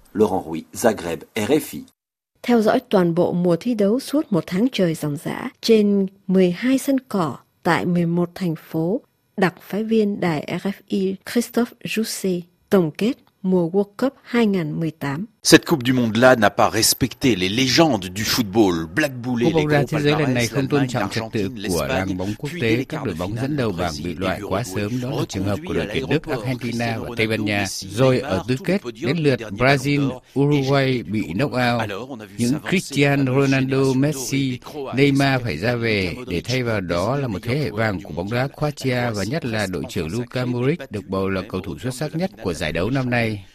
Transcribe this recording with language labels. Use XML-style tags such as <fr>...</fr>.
<fr>Laurent Rouy, Zagreb, RFI.</fr> <vi>Theo dõi toàn bộ mùa thi đấu suốt một tháng trời ròng rã trên 12 sân cỏ tại 11 thành phố, đặc phái viên đài RFI Christophe Jussi tổng kết mùa World Cup 2018.</vi> <fr>Cette Coupe du Monde là n'a pas respecté les légendes du football. Black Bull et</fr> <vi>bóng đá thế giới lần này không tôn trọng trật tự của làng bóng quốc tế. Các đội bóng dẫn đầu bảng bị loại quá sớm, đó là trường hợp của đội tuyển Đức, Argentina và Tây Ban Nha. Rồi ở tứ kết, đến lượt Brazil, Uruguay bị knock-out. Những Cristiano Ronaldo, Messi, Neymar phải ra về, để thay vào đó là một thế hệ vàng của bóng đá Croatia và nhất là đội trưởng Luka Modric được bầu là cầu thủ xuất sắc nhất của giải đấu năm nay.</vi>